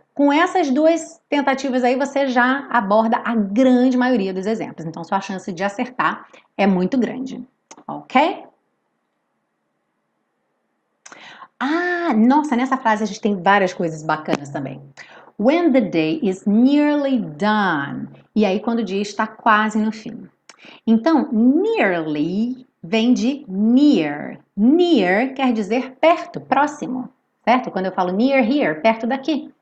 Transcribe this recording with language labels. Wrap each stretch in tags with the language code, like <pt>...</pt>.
<pt>Com essas duas tentativas aí, você já aborda a grande maioria dos exemplos. Então, sua chance de acertar é muito grande. Ok? Ah, nossa, nessa frase a gente tem várias coisas bacanas também.</pt> <en>When the day is nearly done.</en> <pt>E aí, quando o dia está quase no fim. Então, nearly vem de near. Near quer dizer perto, próximo. Certo? Quando eu falo</pt> <en>near here,</en> <pt>perto daqui.</pt>